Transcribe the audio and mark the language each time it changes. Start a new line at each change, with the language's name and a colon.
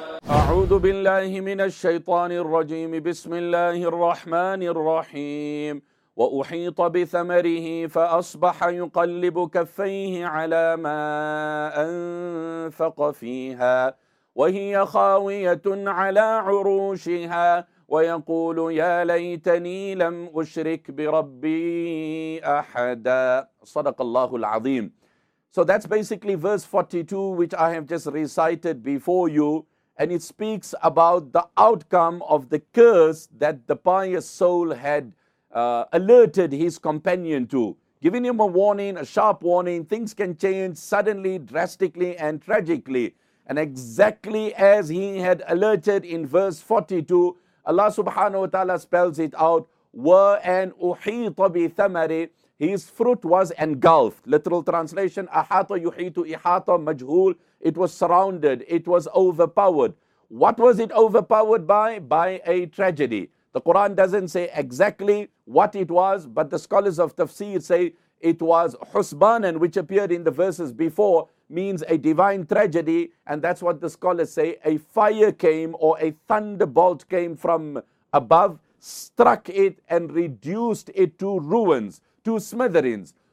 Arabic: أعوذ بالله من الشيطان الرجيم بسم الله الرحمن الرحيم وأحيط بثمره فأصبح يقلب كفيه على ما أنفق فيها وهي خاوية على عروشها ويقول يا ليتني لم أشرك بربي أحدا صدق الله العظيم.
English: So that's basically verse 42 which I have just recited before you, and it speaks about the outcome of the curse that the pious soul had alerted his companion to, giving him a warning, a sharp warning. Things can change suddenly, drastically, and tragically. And exactly as he had alerted in verse 42, Allah subhanahu wa ta'ala spells it out,
Arabic: وَأَنْ أُحِيطَ بِثَمَرِ.
English: His fruit was engulfed. Literal translation,
Arabic: أَحَاطَ يُحِيطُ إِحَاطَ مَجْهُول.
English: It was surrounded. It was overpowered. What was it overpowered by? By a tragedy. The Quran doesn't say exactly what it was, but the scholars of tafsir say it was husbanan, which appeared in the verses before, means a divine tragedy. And that's what the scholars say. A fire came, or a thunderbolt came from above, struck it and reduced it to ruins, to smithereens.